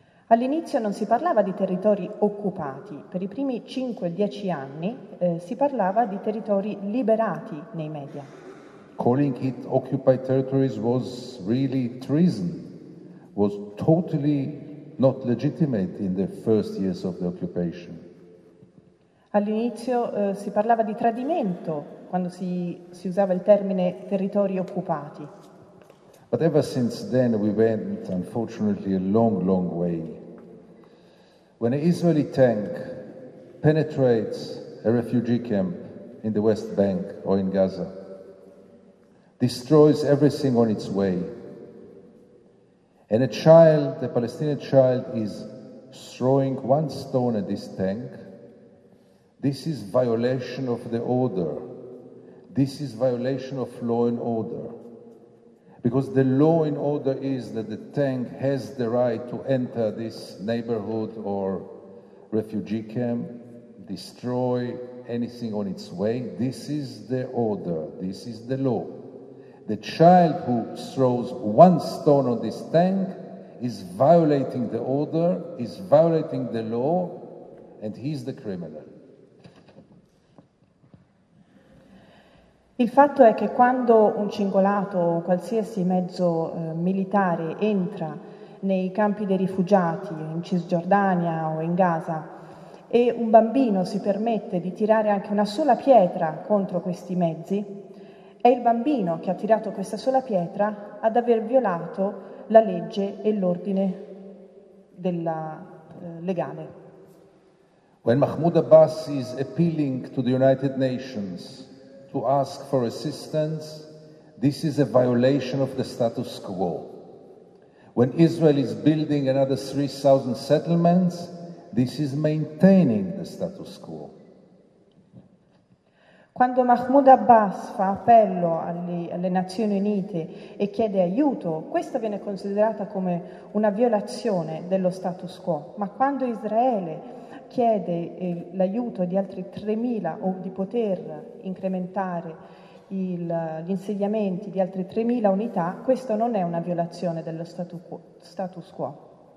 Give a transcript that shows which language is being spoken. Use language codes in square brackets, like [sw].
[it] All'inizio non si parlava di territori occupati, per i primi 5-10 anni si parlava di territori liberati nei media. [en] Calling it occupied territories was really treason, was totally not legitimate in the first years of the occupation. [it] All'inizio si parlava di tradimento quando si usava il termine territori occupati. [en] But ever since then we went unfortunately a long, long way. When an Israeli tank penetrates a refugee camp in the West Bank or in Gaza, destroys everything on its way, and a Palestinian child, is throwing one stone at this tank, this is violation of the order. This is violation of law and order. Because the law in order is that the tank has the right to enter this neighborhood or refugee camp, destroy anything on its way. This is the order. This is the law. The child who throws one stone on this tank is violating the order, is violating the law, and he's the criminal. [it] Il fatto è che quando un cingolato o qualsiasi mezzo militare entra nei campi dei rifugiati in Cisgiordania o in Gaza e un bambino si permette di tirare anche una sola pietra contro questi mezzi, è il bambino che ha tirato questa sola pietra ad aver violato la legge e l'ordine legale. [en] When Mahmoud Abbas is appealing to the United Nations to ask for assistance, this is a violation of the status quo. When Israel is building another 3,000 settlements, this is maintaining the status quo. [it] Quando Mahmoud Abbas fa appello alle Nazioni Unite e chiede aiuto, questa viene considerata come una violazione dello status quo. Ma quando Israele chiede l'aiuto di altri 3.000 o di poter incrementare gli insediamenti di altre 3.000 unità, questo non è una violazione dello status quo.